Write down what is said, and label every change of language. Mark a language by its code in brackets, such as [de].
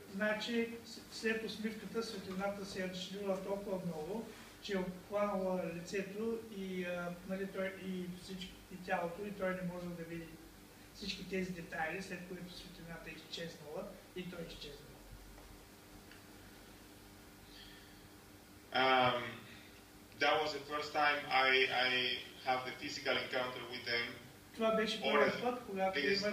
[bg] Значи, след усмивката, светлината се е разширила толкова много, че е обхванала лицето и, нали, той, и, всички, и тялото, и той не може да види всички тези детайли, след което светлината е изчезнала и той е изчезнал. [en] That was the first time I have the physical encounter with them. [bg] Това беше първият път, когато имах физически